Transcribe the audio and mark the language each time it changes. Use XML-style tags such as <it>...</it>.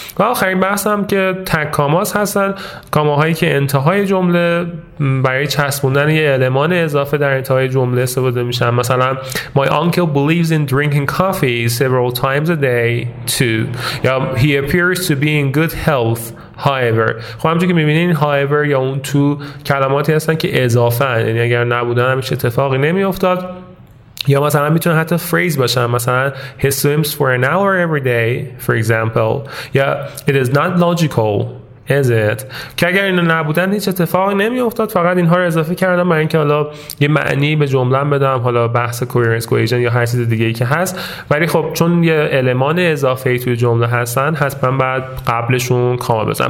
<fa>و آخرین بحثم که tag commas هستن، کاماهایی که انتهای جمله برای چسبوندن یه المان اضافه در انتهای جمله استفاده میشن. مثلا</fa> <en>My uncle believes in drinking coffee several times a day too. Yeah, he appears to be in good health however.</en> <fa>خب همچون که میبینین however یا اون تو کلماتی هستن که اضافه هن، یعنی اگر نبودن همیش اتفاقی نمیافتاد. یا مثلا میتونه حتی phrase باشن، مثلا</fa> <en>He swims for an hour every day for example. Yeah, it is not logical is it؟</en> <fa>که اگر اینا نبودن هیچ اتفاقی نمی افتاد، فقط اینها رو اضافه کردم برای اینکه حالا یه معنی به جمله بدم، حالا بحث coherence cohesion یا هر چیز دیگه‌ای که هست. ولی خب چون یه المان اضافه‌ای توی جمله هستن، حتما بعد قبلشون کاما بزنم.</fa>